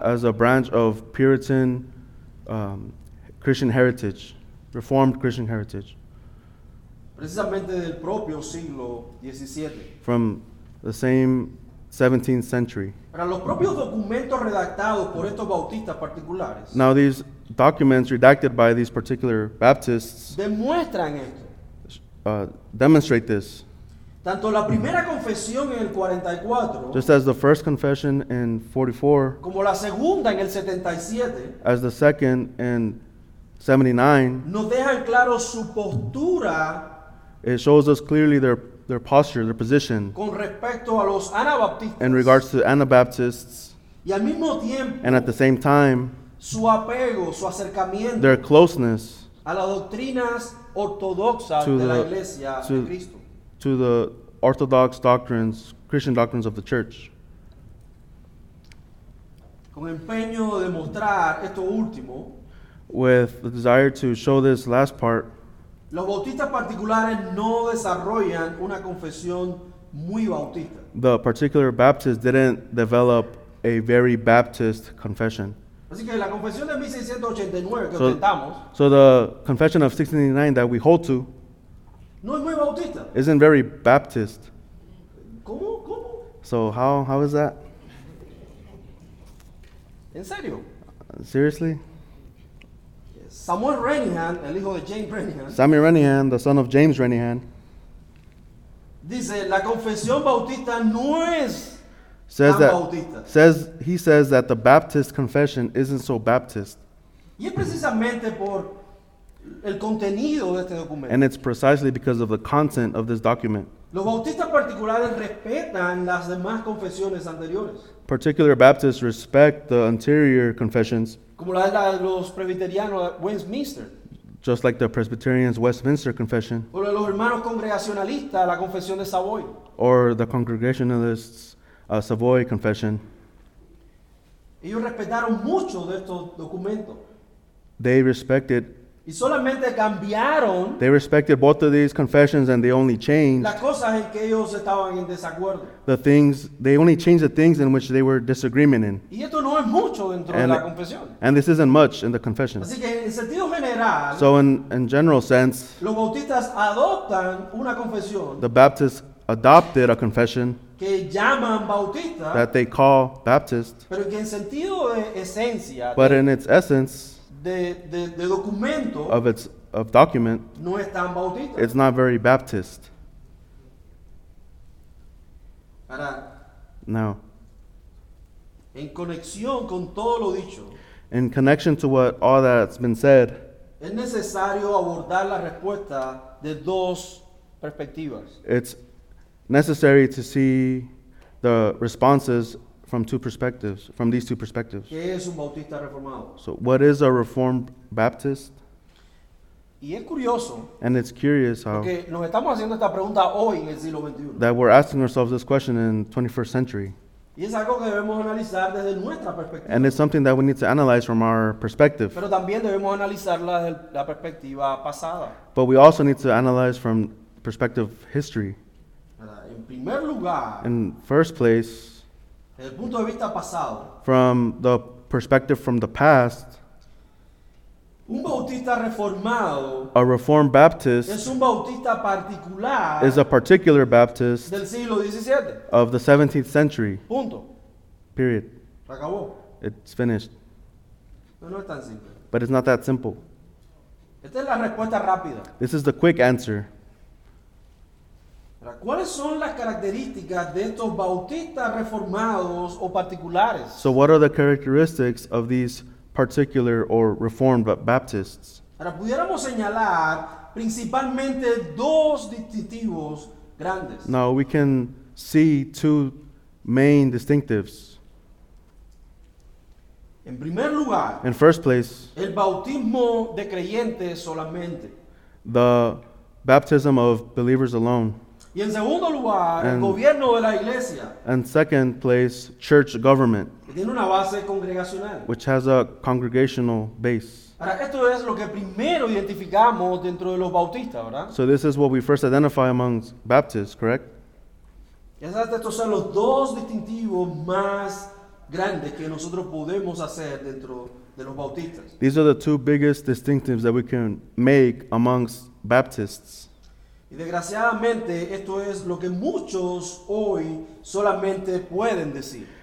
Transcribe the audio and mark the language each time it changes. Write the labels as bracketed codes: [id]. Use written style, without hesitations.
[en] As a branch of Puritan Christian heritage, Reformed Christian heritage. [es] Precisamente del propio siglo XVII. [en] From the same 17th century. [es] Para los propios documentos redactados por estos bautistas particulares. [en] Now these documents redacted by these particular Baptists [es] demuestran esto. [en] Demonstrate this. [es] Tanto la primera confesión en el 44, [en] just as the first confession in 44, [es] como la segunda en el 77, [en] as the second in 79, [es] nos dejan claro su postura. [en] It shows us clearly their posture, their position, [es] con respecto a los anabaptistas, [en] in regards to Anabaptists, [es] y al mismo tiempo, [en] and at the same time, [es] su apego, su acercamiento, [en] their closeness [es] a las doctrinas ortodoxas de la Iglesia de Cristo, [en] to the orthodox doctrines, Christian doctrines of the Church. [es] Con empeño de mostrar esto último, [en] with the desire to show this last part, [es] los bautistas particulares no desarrollan una confesión muy bautista. [en] The particular Baptist didn't develop a very Baptist confession. [es] Así que la confesión de 1689 que ostentamos, [en] so the confession of 1689 that we hold to, [es] no es muy bautista. [en] Isn't very Baptist. [es] ¿Cómo? [en] So how is that? [es] ¿En serio? [en] Seriously? [es] Samuel Renihan, el hijo de James Renihan. [en] Samuel Renihan, the son of James Renihan. [es] Dice, la confesión bautista no es [en] says [es] tan [en] that, [es] bautista. [en] Says, he says that the Baptist confession isn't so Baptist. [es] Y es precisamente por el contenido de este documento. [en] And it's precisely because of the content of this document. [es] Los bautistas particulares respetan las demás confesiones anteriores. [en] Particular Baptists respect the anterior confessions. [es] Como la de los presbiterianos Westminster. [en] Just like the Presbyterians Westminster Confession. [es] O los hermanos congregacionalistas, la Confesión de Savoy. [en] Or the Congregationalists Savoy Confession. [es] Ellos respetaron mucho de estos documentos. [en] They respected. [es] Y solamente cambiaron. [en] They respected both of these confessions and they only changed. [es] Las cosas en que ellos estaban en desacuerdo. [en] The things, they only changed the things in which they were disagreement in. [es] Y esto no es mucho dentro de la confesión. [en] And this isn't much in the confession. [es] Así que en sentido general. [en] So in general sense. [es] Los bautistas adoptan una confesión. [en] The Baptists adopted a confession. [es] Que llaman bautista. [en] That they call Baptist. [es] Pero que en sentido de esencia. [en] But in its essence. [es] De documento, [en] of its of document, [es] no es tan bautista. [en] It's not very Baptist. [es] Para [en] now, [es] en conexión con todo lo dicho, [en] in connection to what all that's been said, [es] es necesario abordar la respuesta de dos perspectivas. [en] It's necessary to see the responses from two perspectives, from these two perspectives. [es] ¿Qué es un bautista reformado? [en] So what is a Reformed Baptist? [es] Y es curioso, [en] and it's curious how [es] nos estamos haciendo esta pregunta hoy en el siglo XXI. [en] That we're asking ourselves this question in 21st century. [es] Y es algo que debemos analizar desde nuestra perspectiva. [en] And it's something that we need to analyze from our perspective. [es] Pero también debemos analizarla desde la perspectiva pasada. [en] But we also need to analyze from perspective history. [es] En primer lugar, [en] in first place, [es] desde el punto de vista pasado, [en] from the perspective from the past, [es] un bautista reformado, [en] a Reformed Baptist, [es] es un bautista particular, [en] is a particular Baptist [es] del siglo XVII, [en] of the 17th century. [es] Punto. [en] Period. [es] Acabó. [en] It's finished. [es] Pero no es tan simple. [en] But it's not that simple. [es] Esta es la respuesta rápida. [en] This is the quick answer. [es] ¿Cuáles son las características de estos bautistas reformados o particulares? [en] So what are the characteristics of these particular or reformed Baptists? [es] Ahora pudiéramos señalar principalmente dos distintivos grandes. [en] Now we can see two main distinctives. [es] En primer lugar, [en] in first place, [es] el bautismo de creyentes solamente. [en] The baptism of believers alone. [es] Y en segundo lugar, el gobierno de la iglesia. [en] And second place, church government. [es] Que tiene una base congregacional. [en] Which has a congregational base. [es] Ahora, esto es lo que primero identificamos dentro de los bautistas, ¿verdad? [en] So this is what we first identify among Baptists, correct? [es] Estos son los dos distintivos más grandes que nosotros podemos hacer dentro de los bautistas. [en] These are the two biggest distinctives that we can make amongst Baptists. [es] Y desgraciadamente, esto es lo que muchos hoy solamente pueden decir.